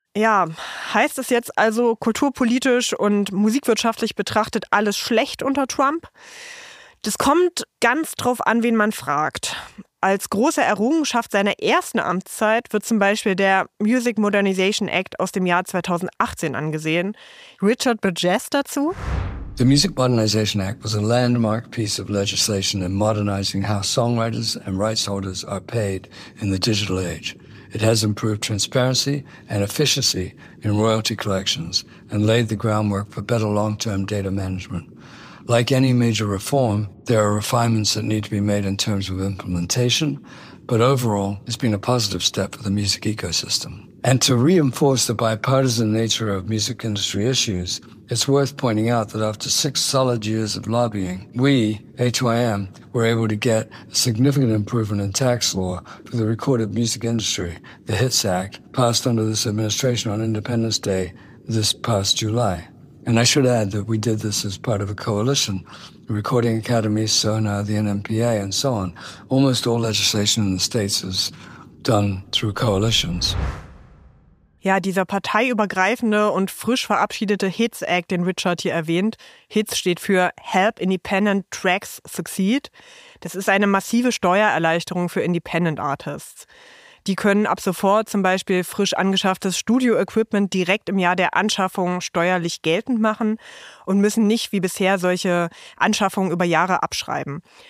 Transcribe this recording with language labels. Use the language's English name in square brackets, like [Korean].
[German] Ja, heißt es jetzt also kulturpolitisch und musikwirtschaftlich betrachtet alles schlecht unter Trump? Das kommt ganz drauf an, wen man fragt. Als große Errungenschaft seiner ersten Amtszeit wird zum Beispiel der Music Modernization Act aus dem Jahr 2018 angesehen. Richard Burgess dazu. [English] The Music Modernization Act was a landmark piece of legislation in modernizing how songwriters and rights holders are paid in the digital age. It has improved transparency and efficiency in royalty collections and laid the groundwork for better long-term data management. Like any major reform, there are refinements that need to be made in terms of implementation, but overall, it's been a positive step for the music ecosystem. And to reinforce the bipartisan nature of music industry issues, it's worth pointing out that after 6 solid years of lobbying, we, HYM, were able to get a significant improvement in tax law for the recorded music industry, the HITS Act, passed under this administration on Independence Day this past July. And I should add that we did this as part of a coalition, the Recording Academy, SONAR, the NMPA, and so on. Almost all legislation in the States is done through coalitions. [German] Ja, dieser parteiübergreifende und frisch verabschiedete HITS Act, den Richard hier erwähnt. HITS steht für Help Independent Tracks Succeed. Das ist eine massive Steuererleichterung für Independent Artists. Die können ab sofort zum Beispiel frisch angeschafftes Studio-Equipment direkt im Jahr der Anschaffung steuerlich geltend machen und müssen nicht wie bisher solche Anschaffungen über Jahre abschreiben.